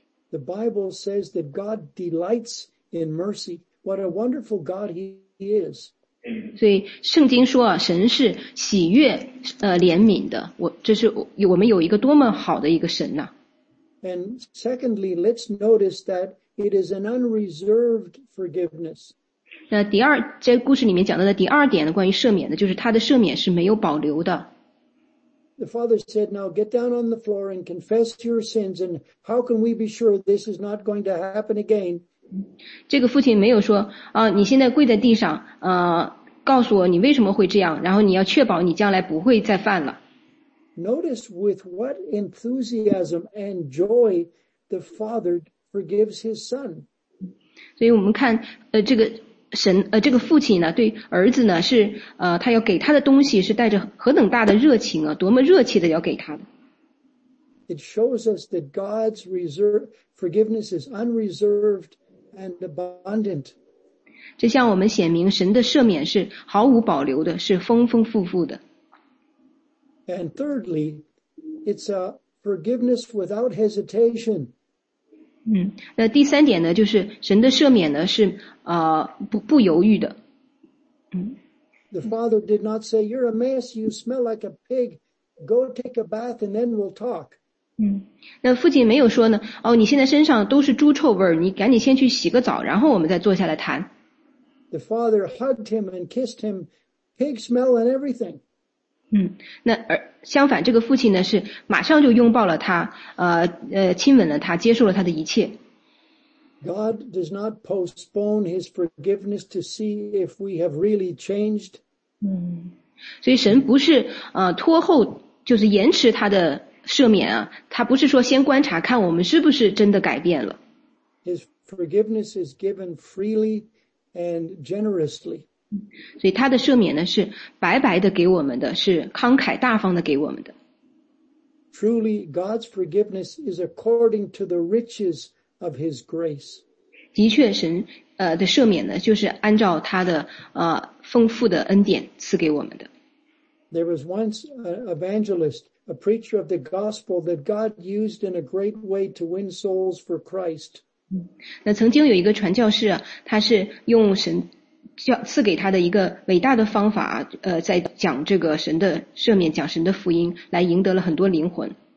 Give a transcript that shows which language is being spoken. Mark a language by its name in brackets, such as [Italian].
[English] The Bible says that God delights in mercy. What a wonderful God he is. [Chinese] 所以圣经说啊，神是喜悦怜悯的。我们有一个多么好的一个神呐、 [English] ！And secondly, let's notice that it is an unreserved forgiveness. [Chinese] 那第二，这故事里面讲到的第二点呢，关于赦免的，就是他的赦免是没有保留的。 [English] The father said, "Now get down on the floor and confess your sins. And how can we be sure this is not going to happen again?" [Chinese] 这个父亲没有说啊，你现在跪在地上，告诉我你为什么会这样，然后你要确保你将来不会再犯了。 [English] Notice with what enthusiasm and joy the father forgives his son. [Chinese] 所以我们看这个神这个父亲呢对儿子呢是他要给他的东西是带着何等大的热情啊多么热切的要给他的。 [English] It shows us that God's reserve forgiveness is unreserved and abundant. [Chinese] 这向我们显明神的赦免是毫无保留的是丰丰富富的。 [English] And thirdly, it's a forgiveness without hesitation. [Chinese] 那第三点呢，就是神的赦免呢是不犹豫的。 [English] The Father did not say, "You're a mess, you smell like a pig, go take a bath and then we'll talk." [Chinese] 那父亲没有说呢，哦，你现在身上都是猪臭味，你赶紧先去洗个澡，然后我们再坐下来谈。 [English] The Father hugged him and kissed him, pig smell and everything. [Chinese] 那相反，这个父亲呢是马上就拥抱了他，亲吻了他，接受了他的一切。 [English] God does not postpone his forgiveness to see if we have really changed. [Chinese] 所以神不是拖后，就是延迟他的赦免啊，他不是说先观察看我们是不是真的改变了。 [English] His forgiveness is given freely and generously. [Chinese] 所以他的赦免呢是白白的给我们的，是慷慨大方的给我们的。 [English] Truly, God's forgiveness is according to the riches of His grace. [Chinese] 的确神的赦免呢，就是按照他的丰富的恩典赐给我们的。 [English] There was once an evangelist, a preacher of the gospel that God used in a great way to win souls for Christ. [Chinese] 那曾经有一个传教士啊，他是用神赐给他的一个伟大的方法啊，在讲这个神的赦免，讲神的福音，来赢得了很多灵魂。